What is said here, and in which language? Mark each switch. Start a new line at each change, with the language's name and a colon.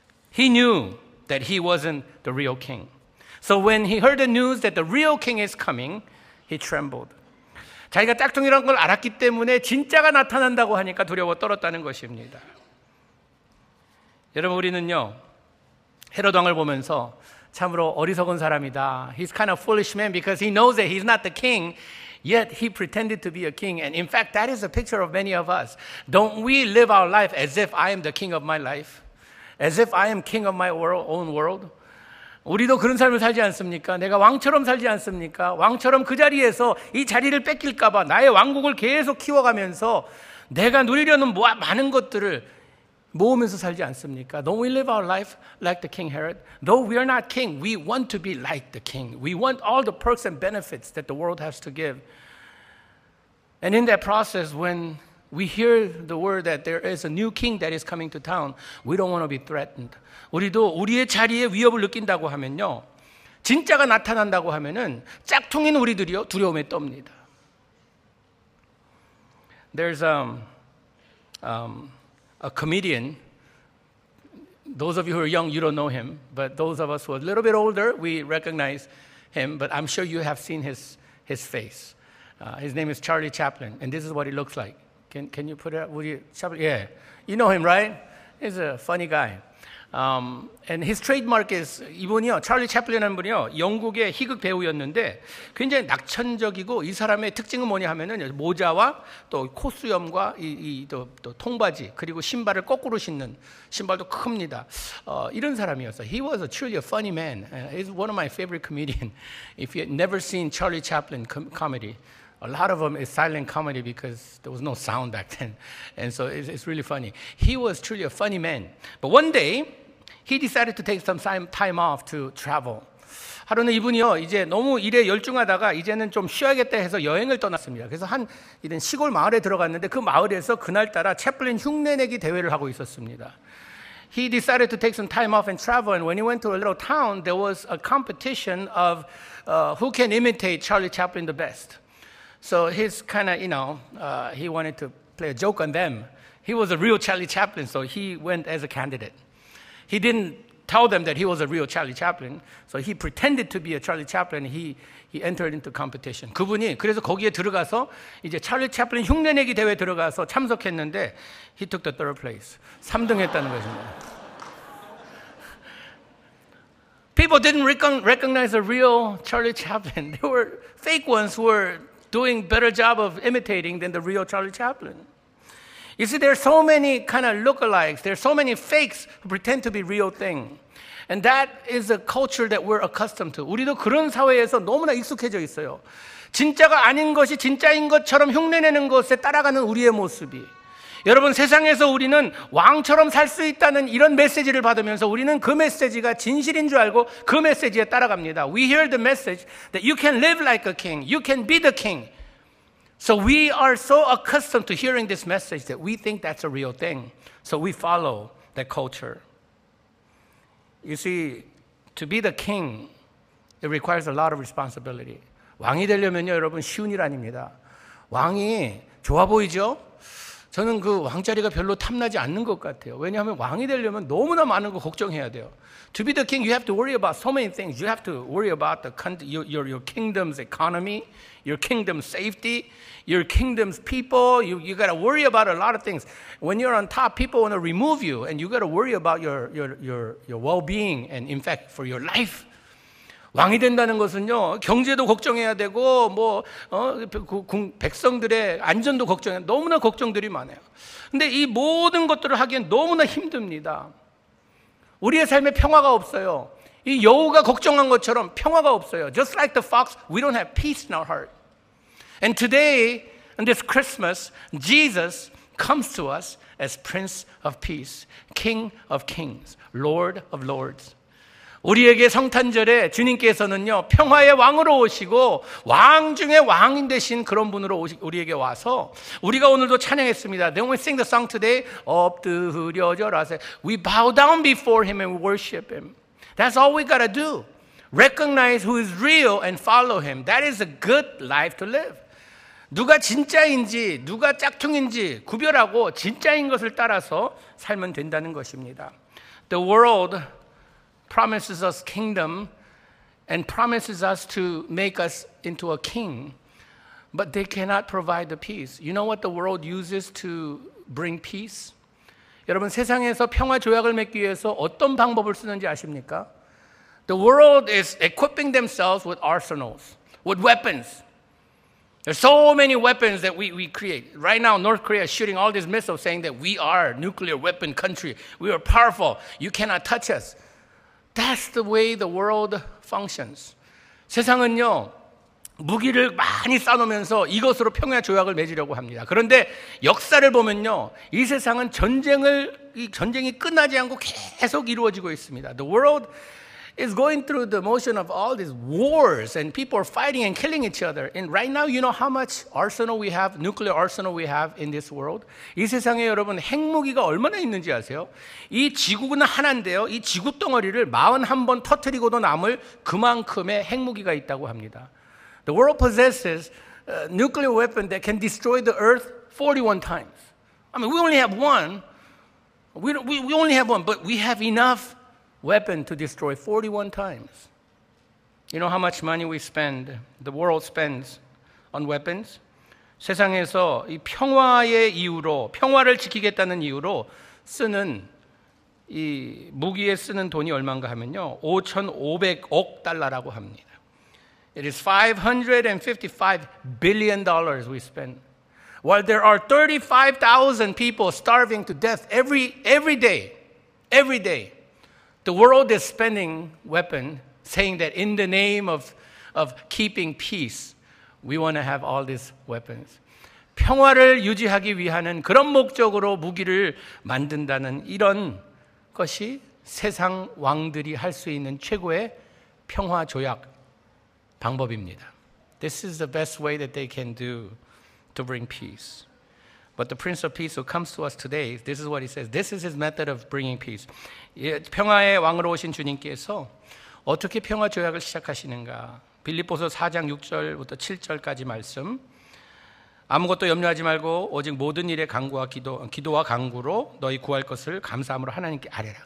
English: He knew that he wasn't the real king. So when he heard the news that the real king is coming, he trembled.
Korean: 자기가 짝퉁이라는 걸 알았기 때문에 진짜가 나타난다고 하니까 두려워 떨었다는 것입니다. 여러분, 우리는요, 헤롯 왕을 보면서 참으로 어리석은 사람이다.
English: He's kind of foolish man because he knows that he's not the king, yet he pretended to be a king. And in fact, that is a picture of many of us. Don't we live our life as if I am the king of my life? As if I am king of my own world?
Korean: 우리도 그런 삶을 살지 않습니까? 내가 왕처럼 살지 않습니까? 왕처럼 그 자리에서 이 자리를 뺏길까 봐 나의 왕국을 계속 키워가면서 내가 누리려는 많은 것들을 모으면서 살지 않습니까?
English: Don't we live our life like the King Herod? Though we are not king, we want to be like the king. We want all the perks and benefits that the world has to give. And in that process, when We hear the word that there is a new king that is coming to town. We don't want to be threatened.
Korean: 우리도 우리의 자리에 위협을 느낀다고 하면요. 진짜가 나타난다고 하면은 짝퉁인 우리들이요 두려움에 떱니다.
English: There's a comedian. Those of you who are young, you don't know him. But those of us who are a little bit older, we recognize him. But I'm sure you have seen his face. His name is Charlie Chaplin. And this is what he looks like. Can you put it up? You know him, right? He's a funny guy. And his trademark is,
Korean: 이분이요, 찰리 채플린이라는 분이요, 영국의 희극 배우였는데 굉장히 낙천적이고 이 사람의 특징은 뭐냐 하면은 모자와 또 코수염과 또 통바지 그리고 신발을 거꾸로 신는 신발도 큽니다. 이런 사람이었어.
English: He was truly a funny man. He's one of my favorite comedians. If you've never seen Charlie Chaplin comedy, a lot of them is silent comedy because there was no sound back then. And so it's really funny. He was truly a funny man. But one day, he decided to take some time off to travel.
Korean: 하루는 이분이요, 이제 너무 일에 열중하다가 이제는 좀 쉬어야겠다 해서 여행을 떠났습니다. 그래서 한 이런 시골 마을에 들어갔는데 그 마을에서 그날따라 채플린 흉내내기 대회를 하고 있었습니다.
English: He decided to take some time off and travel. And when he went to a little town, there was a competition of who can imitate Charlie Chaplin the best. So he's kind of, you know, he wanted to play a joke on them. He was a real Charlie Chaplin, so he went as a candidate. He didn't tell them that he was a real Charlie Chaplin, so he pretended to be a Charlie Chaplin. He entered into competition.
Korean: 그분이 그래서 거기에 들어가서 이제 찰리 채플린 흉내내기 대회 들어가서 참석했는데
English: he took the third place.
Korean: 3등 했다는 것입니다.
English: People didn't recognize a real Charlie Chaplin. There were fake ones who were doing better job of imitating than the real Charlie Chaplin. You see, there are so many kind of lookalikes. There are so many fakes who pretend to be real thing. And that is a culture that we're accustomed to.
Korean: 우리도 그런 사회에서 너무나 익숙해져 있어요. 진짜가 아닌 것이 진짜인 것처럼 흉내내는 것에 따라가는 우리의 모습이. 여러분, 세상에서 우리는 왕처럼 살 수 있다는 이런 메시지를 받으면서 우리는 그 메시지가 진실인 줄 알고 그 메시지에 따라갑니다.
English: We hear the message that you can live like a king. You can be the king. So we are so accustomed to hearing this message that we think that's a real thing. So we follow that culture. You see, to be the king, it requires a lot of responsibility.
Korean: 왕이 되려면요, 여러분, 쉬운 일 아닙니다. 왕이 좋아 보이죠? 저는 그 왕자리가 별로 탐나지 않는 것 같아요. 왜냐하면 왕이 되려면 너무나 많은 거 걱정해야 돼요.
English: To be the king, you have to worry about so many things. You have to worry about your kingdom's economy, your kingdom's safety, your kingdom's people. You got to worry about a lot of things. When you're on top, people want to remove you, and you got to worry about your well-being and, in fact, for your life.
Korean: 왕이 된다는 것은요, 경제도 걱정해야 되고, 백성들의 안전도 걱정해야, 너무나 걱정들이 많아요. 근데 이 모든 것들을 하기엔 너무나 힘듭니다. 우리의 삶에 평화가 없어요. 이 여우가 걱정한 것처럼 평화가 없어요.
English: Just like the fox, we don't have peace in our heart. And today, on this Christmas, Jesus comes to us as Prince of Peace, King of Kings, Lord of Lords.
Korean: 우리에게 성탄절에 주님께서는요 평화의 왕으로 오시고 왕 중에 왕인 되신 그런 분으로 우리에게 와서 우리가 오늘도 찬양했습니다.
English: Then we sing the song today.
Korean: 엎드려져라.
English: We bow down before him and worship him. That's all we gotta do. Recognize who is real and follow him. That is a good life to live.
Korean: 누가 진짜인지 누가 짝퉁인지 구별하고 진짜인 것을 따라서 살면 된다는 것입니다.
English: The world promises us kingdom and promises us to make us into a king, but they cannot provide the peace. You know what the world uses to bring peace?
Korean: 여러분, 세상에서 평화 조약을 맺기 위해서 어떤 방법을 쓰는지 아십니까?
English: The world is equipping themselves with arsenals, with weapons. There's so many weapons that we create. Right now, North Korea is shooting all these missiles saying that we are a nuclear weapon country. We are powerful. You cannot touch us. That's the way the world functions.
Korean: 세상은요, 무기를 많이 쌓으면서 이것으로 평화 조약을 맺으려고 합니다. 그런데 역사를 보면요, 이 세상은 전쟁이 끝나지 않고 계속 이루어지고 있습니다.
English: The world is going through the motion of all these wars and people are fighting and killing each other. And right now, you know how much arsenal we have, nuclear arsenal we have in this world?
Korean: 이 세상에 여러분 핵무기가 얼마나 있는지 아세요? 이 지구는 하나인데요. 이 지구 덩어리를 41번 터뜨리고도 남을 그만큼의 핵무기가 있다고 합니다.
English: The world possesses a nuclear weapon that can destroy the earth 41 times. I mean, we only have one. We only have one, but we have enough weapon to destroy 41 times. You know how much money we spend, the world spends on weapons?
Korean: 세상에서 이 평화의 이유로, 평화를 지키겠다는 이유로 쓰는 이 무기에 쓰는 돈이 얼마인가 하면요. 5,500억 달러라고 합니다.
English: It is $555 billion we spend. While there are 35,000 people starving to death every day, the world is spending weapon, saying that in the name of keeping peace, we want to have all these weapons.
Korean: 평화를 유지하기 위하는 그런 목적으로 무기를 만든다는 이런 것이 세상 왕들이 할 수 있는 최고의 평화 조약 방법입니다.
English: This is the best way that they can do. To bring peace. But the Prince of Peace who comes to us today, this is what he says. This is his method of bringing peace.
Korean: 평화의 왕으로 오신 주님께서 어떻게 평화 조약을 시작하시는가? 빌립보서 4장 6절부터 7절까지 말씀. 아무것도 염려하지 말고 오직 모든 일에 간구와 기도와 간구로 너희 구할 것을 감사함으로 하나님께 아뢰라.